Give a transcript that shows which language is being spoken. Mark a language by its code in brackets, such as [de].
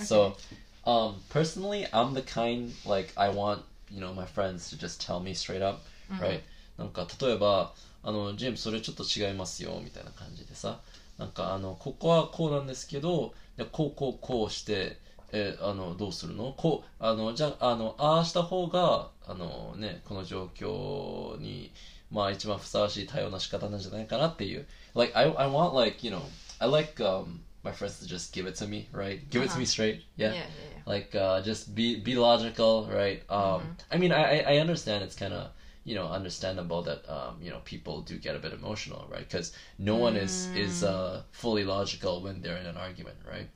[en] So, personally, I'm the kind, like, I want, you know, my friends to just tell me straight up, right? [ja] なんか例えば、ジェームス、それちょっと違いますよ、みたいな感じでさ、なんかここはこうなんですけど、こうこうこうして、どうするの？こう、じゃあ、ああした方が、ね、この状況に、まあ、一番ふさわしい対応の仕方なんじゃないかなっていう。 [en] Like, I want, like, you know, I like, my friends to just give it to me, right? Give it to me straight, yeah. Like, just be logical, right? I mean, I understand it's kind of, you know, understandable that, you know, people do get a bit emotional, right? Because no one is fully logical when they're in an argument, right?